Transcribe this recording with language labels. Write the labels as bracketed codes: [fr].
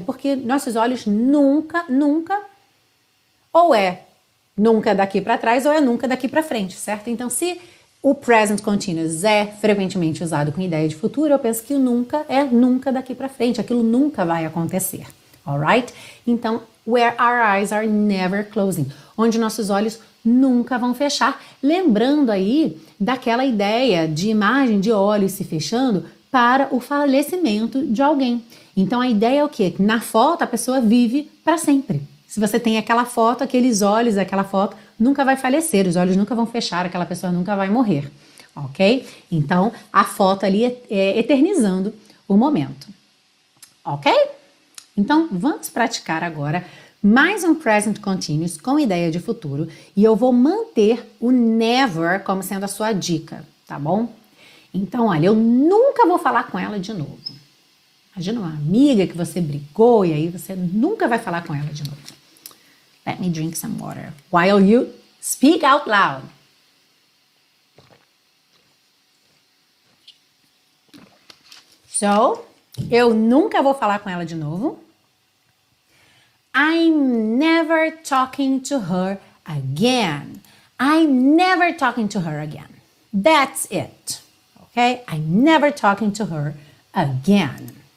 [pt] Porque nossos olhos nunca, nunca, ou é nunca daqui para trás ou é nunca daqui para frente, certo? Então, se o present continuous é frequentemente usado com ideia de futuro, eu penso que o nunca é nunca daqui para frente. Aquilo nunca vai acontecer, alright? [en] Então, where our eyes are never closing. [pt] Onde nossos olhos nunca vão fechar. Lembrando aí daquela ideia de imagem de olhos se fechando para o falecimento de alguém. Então, a ideia é o quê? Na foto, a pessoa vive para sempre. Se você tem aquela foto, aqueles olhos, aquela foto, nunca vai falecer, os olhos nunca vão fechar, aquela pessoa nunca vai morrer, ok? Então, a foto ali é eternizando o momento, ok? Então, vamos praticar agora mais um present continuous com ideia de futuro e eu vou manter o never como sendo a sua dica, tá bom? Então, olha, eu nunca vou falar com ela de novo. Imagina uma amiga que você brigou e aí você nunca vai falar com ela de novo. [en] Let me drink some water while you speak out loud. [pt] So, eu nunca vou falar com ela de novo. [en] I'm never talking to her again. I'm never talking to her again. That's it. Okay? I'm never talking to her again.